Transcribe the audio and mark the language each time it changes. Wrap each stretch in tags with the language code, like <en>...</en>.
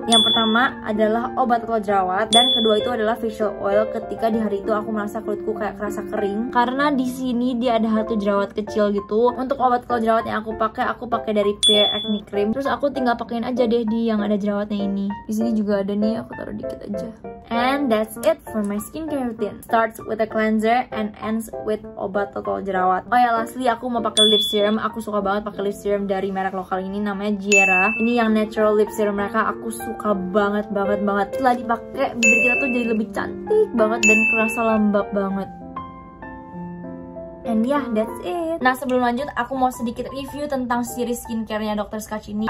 <id>Yang pertama adalah obat atau jerawat, dan kedua itu adalah facial oil ketika di hari itu aku merasa kulitku kayak kerasa kering. Karena di sini dia ada satu jerawat kecil gitu. Untuk obat atau jerawat yang aku pakai dari Pure Acne Cream. Terus aku tinggal pakein aja deh di yang ada jerawatnya ini. Di sini juga ada nih, aku taruh dikit aja.</id> <en>And that's it for my skincare routine. Starts with a cleanser and ends with</en> <id>obat total jerawat. Oh ya, lastly aku mau pakai lip serum. Aku suka banget pakai lip serum dari merek lokal ini, namanya Jiera. Ini yang natural lip serum mereka, aku suka banget. Setelah dipakai, bibir kita tuh jadi lebih cantik banget dan kerasa lembab banget.</id> <en>And yeah, that's it.</en> <id>Nah, sebelum lanjut, aku mau sedikit review tentang series skincare-nya Dr. Scotch ini.</id>